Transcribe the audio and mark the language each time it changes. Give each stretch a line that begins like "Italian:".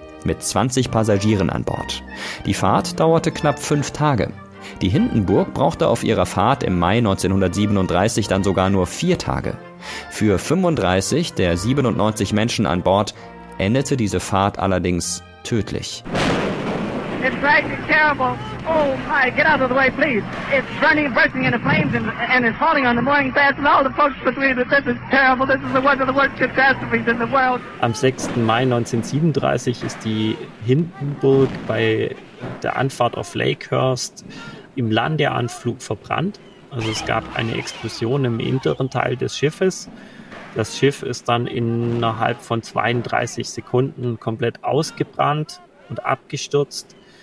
German: Mit 20 Passagieren an Bord. Die Fahrt dauerte knapp 5 Tage. Die Hindenburg brauchte auf ihrer Fahrt im Mai 1937 dann sogar nur 4 Tage. Für 35 der 97 Menschen an Bord endete diese Fahrt allerdings tödlich.
English: It's crashing terrible. Oh my, get out of the way, please. It's burning, bursting into flames and it's falling on the mooring fast and all the folks between us. This is terrible. This is the worst of the worst catastrophes in the world.
German: Am 6. Mai 1937 ist die Hindenburg bei der Anfahrt auf Lakehurst im Landeanflug verbrannt. Also es gab eine Explosion im hinteren Teil des Schiffes. Das Schiff ist dann innerhalb von 32 Sekunden komplett ausgebrannt und abgestürzt.